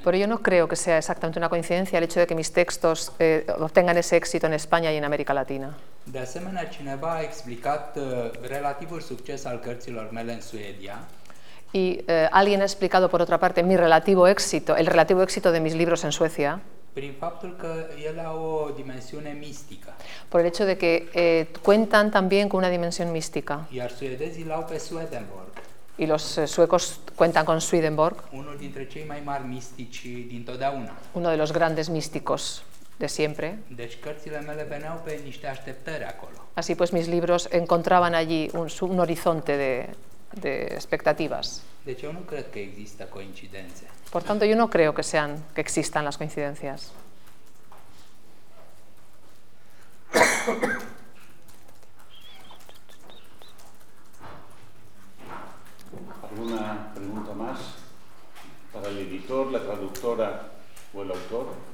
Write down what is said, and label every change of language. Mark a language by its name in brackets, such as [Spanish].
[Spanish] Pero yo no creo que sea exactamente una coincidencia el hecho de que mis textos obtengan ese éxito en España y en América Latina. [Romanian] De asemenea, cineva a explicat relativul succes al cărților mele în Suedia. [Spanish] Y alguien ha explicado por otra parte mi relativo éxito, el relativo éxito de mis libros en Suecia. [Romanian] Prin faptul că ele au o dimensiune mistică. [Spanish] Por el hecho de que cuentan también con una dimensión mística. [Romanian] Iar suedezii l-au pe Swedenborg. [Spanish] Y los suecos cuentan con Swedenborg. [Romanian] Unul dintre cei mai mari mistici dintotdeauna. [Spanish] Uno de los grandes místicos de siempre. [Romanian] Deci cărțile mele veneau pe niște așteptări acolo. [Spanish] Así pues mis libros encontraban allí un horizonte de expectativas. [Romanian] Deci eu nu cred că există coincidențe. [Spanish] Por tanto, yo no creo que sean que existan las coincidencias. ¿Alguna pregunta más para el editor, la traductora o el autor?